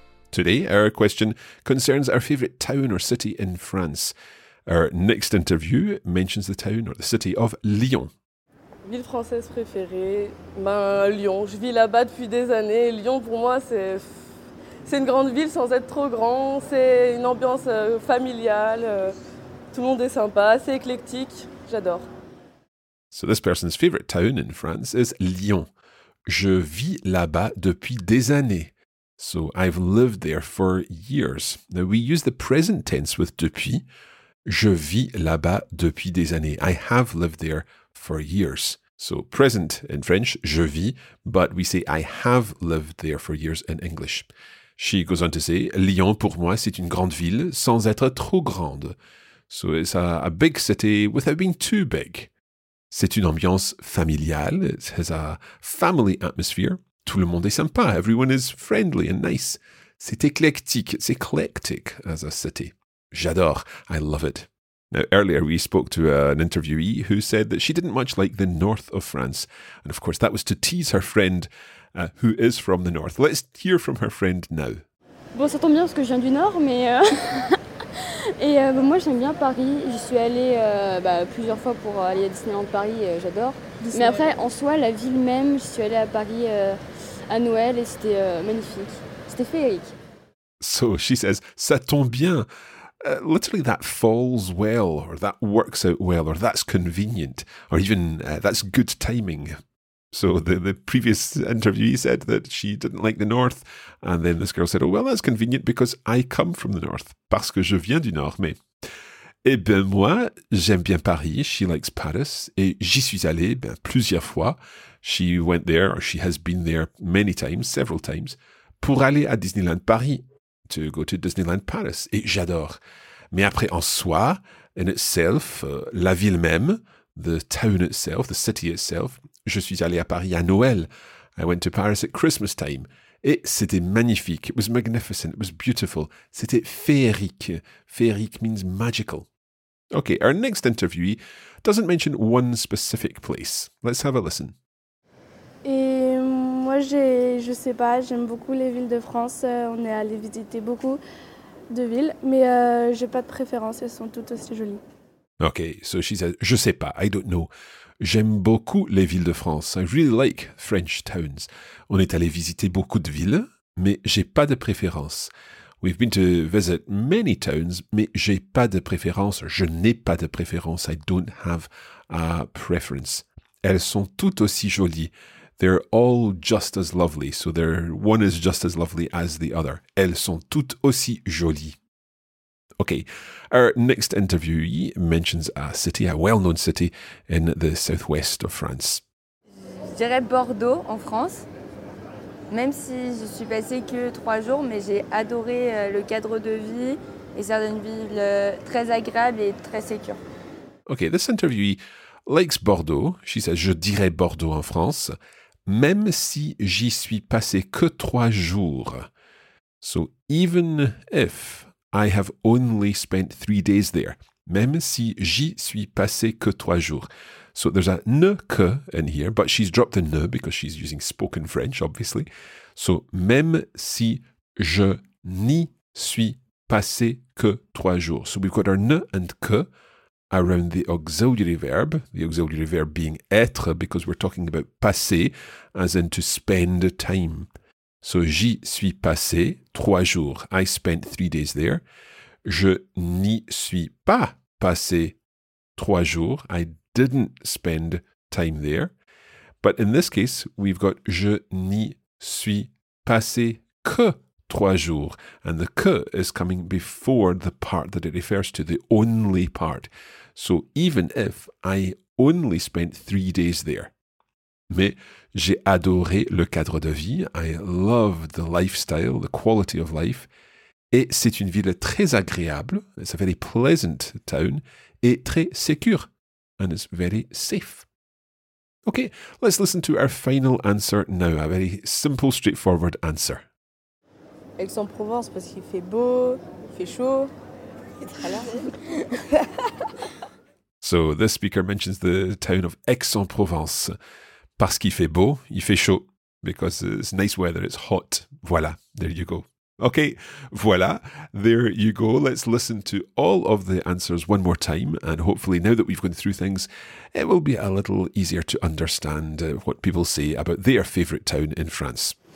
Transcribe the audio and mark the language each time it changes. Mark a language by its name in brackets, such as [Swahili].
[English] Today, our question concerns our favourite town or city in France. Our next interview mentions the town or the city of Lyon. [French] Ville française préférée, Lyon. Je vis là-bas depuis des années. Lyon, pour moi, c'est une grande ville sans être trop grand. C'est une ambiance familiale. Tout le monde est sympa, assez éclectique. J'adore. [English] So this person's favourite town in France is Lyon. [French] Je vis là-bas depuis des années. [English] So, I've lived there for years. Now, we use the present tense with depuis. [French] Je vis là-bas depuis des années. [English] I have lived there for years. So, present in French, [French] je vis, [English] but we say I have lived there for years in English. She goes on to say, [French] Lyon, pour moi, c'est une grande ville sans être trop grande. [English] So, it's a big city without being too big. [French] C'est une ambiance familiale. [English] It has a family atmosphere. [French] Tout le monde est sympa, [English] everyone is friendly and nice. [French] C'est éclectique, [English] it's eclectic as a city. [French] J'adore, [English] I love it. Now, earlier we spoke to an interviewee who said that she didn't much like the north of France. And of course, that was to tease her friend who is from the north. Let's hear from her friend now. [French] Bon, ça tombe bien parce que je viens du nord, mais... moi, j'aime bien Paris. J'y suis allée plusieurs fois pour aller à Disneyland Paris, j'adore. Disneyland. Mais après, en soi, la ville même, j'y suis allée à Paris à Noël et c'était magnifique. C'était féerique. [English] So, she says, [French] ça tombe bien. [English] Literally, that falls well, or that works out well, or that's convenient, or even that's good timing. So, the previous interviewee said that she didn't like the north, and then this girl said, oh, well, that's convenient because I come from the north. [French] Parce que je viens du nord, mais... Eh bien, moi, j'aime bien Paris, [English] she likes Paris, [French] et j'y suis allé plusieurs fois. [English] She went there, or she has been there many times, several times, [French] pour aller à Disneyland Paris, [English] to go to Disneyland Paris, [French] et j'adore. Mais après, en soi, [English] in itself, [French] la ville même, [English] the town itself, the city itself, [French] je suis allé à Paris à Noël. [English] I went to Paris at Christmas time. [French] Et c'était magnifique. [English] It was magnificent. It was beautiful. [French] C'était féerique. Féerique [English] means magical. Okay, our next interviewee doesn't mention one specific place. Let's have a listen. [French] Et moi, je sais pas, j'aime beaucoup les villes de France. On est allé visiter beaucoup de villes, mais j'ai pas de préférence. Elles sont toutes aussi jolies. [English] Okay, so she says, [French] je sais pas, [English] I don't know. [French] J'aime beaucoup les villes de France. [English] I really like French towns. [French] On est allé visiter beaucoup de villes, mais j'ai pas de préférence. [English] We've been to visit many towns, [French] mais j'ai pas de préférence. Je n'ai pas de préférence. [English] I don't have a preference. [French] Elles sont toutes aussi jolies. [English] They're all just as lovely. So they're one is just as lovely as the other. [French] Elles sont toutes aussi jolies. [English] Okay, our next interviewee mentions a city, a well-known city in the southwest of France. [French] Je dirais Bordeaux en France, même si je suis passée que trois jours, mais j'ai adoré le cadre de vie et certaines villes très agréables et très sécures. [English] Okay, this interviewee likes Bordeaux. She says, [French] je dirais Bordeaux en France, même si j'y suis passée que trois jours. [English] So even if I have only spent 3 days there, [French] même si j'y suis passé que trois jours. [English] So there's a ne que in here, but she's dropped the ne because she's using spoken French, obviously. [French] So même si je n'y suis passé que trois jours. [English] So we've got our ne and que around the auxiliary verb being être because we're talking about passer, as in to spend time. So, [French] j'y suis passé trois jours. [English] I spent 3 days there. [French] Je n'y suis pas passé trois jours. [English] I didn't spend time there. But in this case, we've got [French] je n'y suis passé que trois jours. [English] And the que is coming before the part that it refers to, the only part. So, even if I only spent 3 days there. [French] Mais j'ai adoré le cadre de vie. [English] I love the lifestyle, the quality of life. [French] Et c'est une ville très agréable. [English] It's a very pleasant town. [French] Et très sécure. [English] And it's very safe. Okay, let's listen to our final answer now. A very simple, straightforward answer. [French] Aix-en-Provence, parce qu'il fait beau, il fait chaud. [English] So this speaker mentions the town of Aix-en-Provence. [French] Parce qu'il fait beau, il fait chaud. [English] Because it's nice weather, it's hot. Voilà, there you go. Okay, voilà, there you go. Let's listen to all of the answers one more time. And hopefully now that we've gone through things, it will be a little easier to understand what people say about their favorite town in France.